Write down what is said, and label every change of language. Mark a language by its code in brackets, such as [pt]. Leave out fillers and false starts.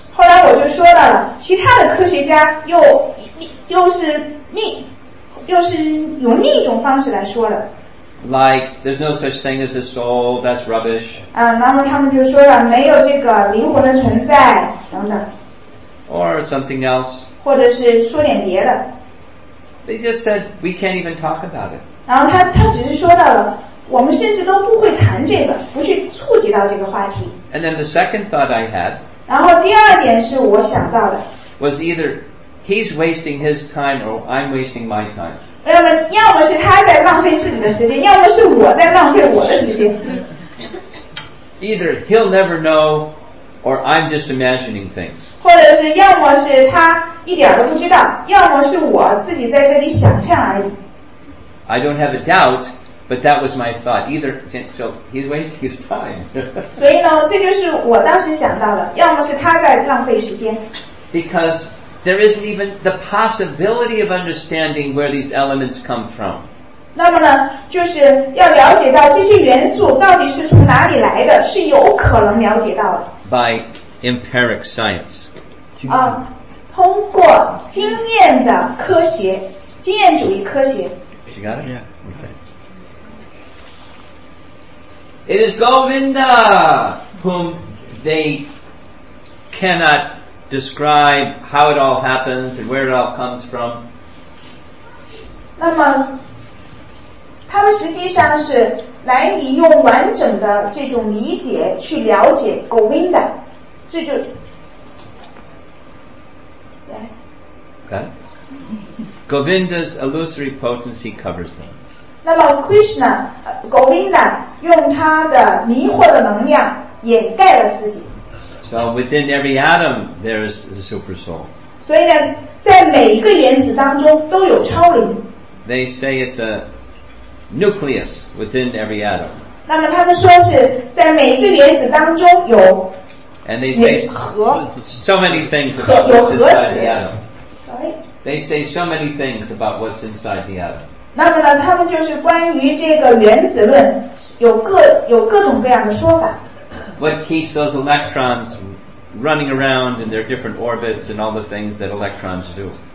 [zh] 后来我就说了，其他的科学家又是用另一种方式来说的。 [en] Like there's no such thing as a soul. That's rubbish. [zh] 啊，那么他们就说了，没有这个灵魂的存在等等。 [en] Or something else. [zh] 或者是说点别的。 [en] They just said we can't even talk about it. [zh] 然后他只是说到了，我们甚至都不会谈这个，不去触及到这个话题。 [en] And then the second thought I had. [zh] 然后第二点是我想到的。 [en] Was either he's wasting his time or I'm wasting my time. [zh] 要么是他在浪费自己的时间，要么是我在浪费我的时间。 [en] Either he'll never know. Or I'm just imagining things. [zh] 或者是要么是他一点都不知道，要么是我自己在这里想象而已。 [en] I don't have a doubt, but that was my thought. Either, so he's wasting his time. [zh] 所以呢，这就是我当时想到的，要么是他在浪费时间。 [en] Because there isn't even the possibility of understanding where these elements come from. [zh] 那么呢，就是要了解到这些元素到底是从哪里来的，是有可能了解到的。 [en] By empiric science. [zh] 啊，通过经验的科学，经验主义科学。 [en] She got it? Yeah. Okay. It is Govinda whom they cannot describe how it all happens and where it all comes from. [zh] 那么他们实际上是难以用完整的这种理解去了解 Govinda， 这就 yes. [en] Okay. Govinda's illusory potency covers them. [zh] 那么 Krishna Govinda 用他的迷惑的能量掩盖了自己。 [en] So within every atom there is the super soul. [zh] 所以呢，在每一个原子当中都有超灵。 [en] They say it's a nucleus within every atom. [zh] 那么他们说是在每一个原子当中有 [en] And they say so many things about what's inside the atom. Sorry. They say so many things about what's inside the atom. [zh] 那么呢，他们就是关于这个原子论有各种各样的说法。 [en] What keeps those electrons running around in their different orbits and all the things that electrons do?